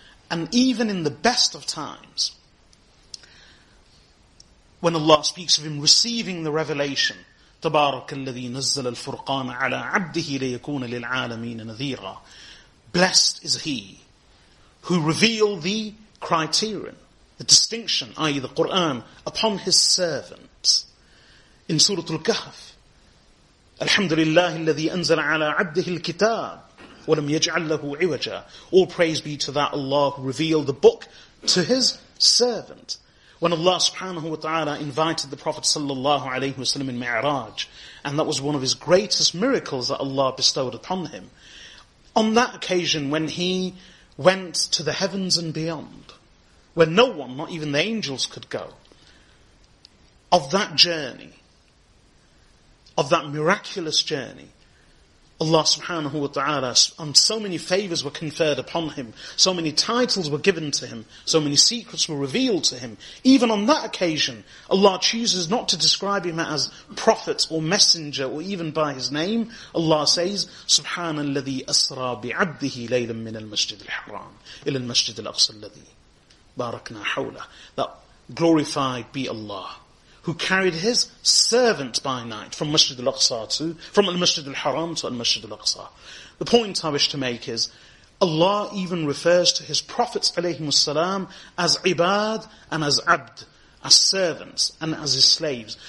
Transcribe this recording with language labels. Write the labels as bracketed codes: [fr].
[en] And even in the best of times, when Allah speaks of him receiving the revelation, [ar] تبارك الذي نزل الفرقان على عبده ليكون للعالمين نذيرا. [en] Blessed is he who revealed the criterion, the distinction, i.e. the Qur'an, upon his servant. [ar] In Surah Al-Kahf, الحمد لله الذي أنزل على عبده الكتاب ولم يجعل له عوجا. [en] All praise be to that Allah who revealed the book to his servant. When Allah subhanahu wa ta'ala invited the Prophet sallallahu alayhi wa sallam in Mi'raj, and that was one of his greatest miracles that Allah bestowed upon him. On that occasion, when he went to the heavens and beyond, where no one, not even the angels, could go, of that journey, of that miraculous journey, Allah subhanahu wa ta'ala, and so many favors were conferred upon him, so many titles were given to him, so many secrets were revealed to him. Even on that occasion, Allah chooses not to describe him as prophet or messenger or even by his name. Allah says, [ar] سُبْحَانَ الَّذِي أَسْرَى بِعَبْدِهِ لَيْلًا مِنَ الْمَسْجِدِ الْحَرَامِ إِلَى الْمَسْجِدِ الْأَقْصَى الَّذِي بَارَكْنَا حَوْلَهِ. [en] That glorified be Allah, who carried his servant by night from Masjid al-Aqsa to, from Al-Masjid al-Haram to Al-Masjid al-Aqsa. The point I wish to make is, Allah even refers to his prophets alayhimu salam as ibad and as abd, as servants and as his slaves.